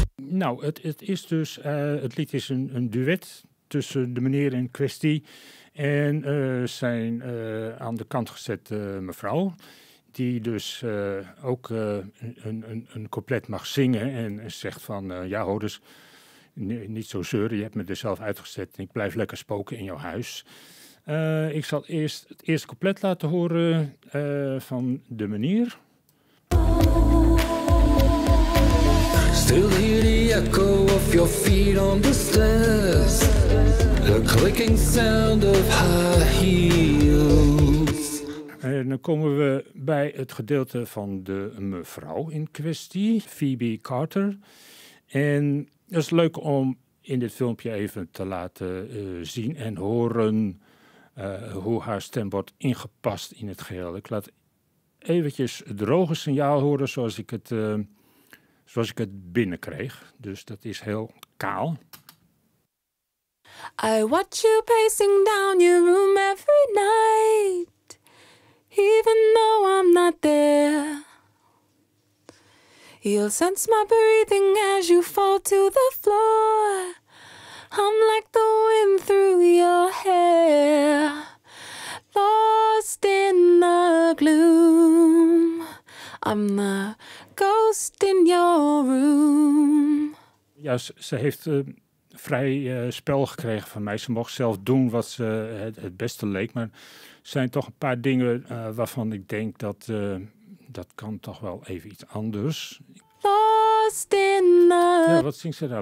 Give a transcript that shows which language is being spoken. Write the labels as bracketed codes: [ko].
[nl] Nou, het is dus, het lied is een duet tussen de meneer in kwestie en zijn aan de kant gezette mevrouw, die dus ook een couplet mag zingen en zegt van, ja hoor, dus niet zo zeuren, je hebt me er zelf uitgezet en ik blijf lekker spoken in jouw huis. Ik zal eerst het eerste couplet laten horen van de meneer. [en] Still hear the echo of your feet on the stairs, the clicking sound of high heels. [nl] dan komen we bij het gedeelte van de mevrouw in kwestie, Phoebe Carter. En het is leuk om in dit filmpje even te laten zien en horen hoe haar stem wordt ingepast in het geheel. Ik laat eventjes het droge signaal horen zoals ik het binnenkreeg. Dus dat is heel kaal. [en] I watch you pacing down your room every night, even though I'm not there. You'll sense my breathing as you fall to the floor. I'm like the wind through your hair, lost in the gloom. I'm the ghost in your room. [nl] Ja, ze heeft vrij spel gekregen van mij. Ze mocht zelf doen wat ze het beste leek. Maar er zijn toch een paar dingen waarvan ik denk dat dat kan toch wel even iets anders. [en] Lost in the... [nl] Ja, wat zingt ze daar?